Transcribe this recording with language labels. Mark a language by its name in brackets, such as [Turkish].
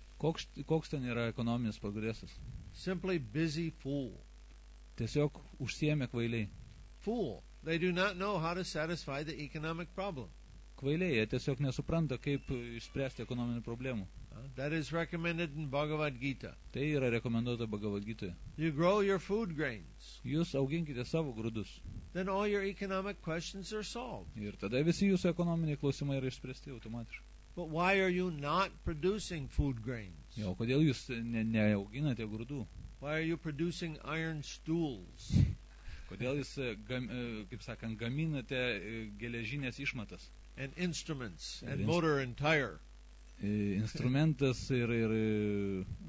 [Lithuanian] Koks ten yra ekonominis progresas? [English] Simply busy fool. [Lithuanian] Tiesiog užsiėmė kvailiai. [English] Fool. They do not know how to satisfy the economic problem. [Lithuanian] Kvailiai, jie tiesiog nesupranta, kaip išspręsti ekonominį problemą. [English] That is recommended in Bhagavad Gita. [Lithuanian] Tai yra rekomenduota Bhagavad Gitoje. [English] You grow your food grains. [Lithuanian] Jūs auginkite savo grūdus. [English] Then all your economic questions are solved. [Lithuanian] Ir tada visi jūsų ekonominiai klausimai yra išspręsti automatiškai. [English] But why are you not producing food grains? [Lithuanian] Jo, kodėl jūs neauginate grūdų? [English] Why are you producing iron stools? [Lithuanian] Kodėl jūs, kaip sakant, gaminate geležinės išmatas? [English] And instruments and motor and tire. [Lithuanian] Instrumentas ir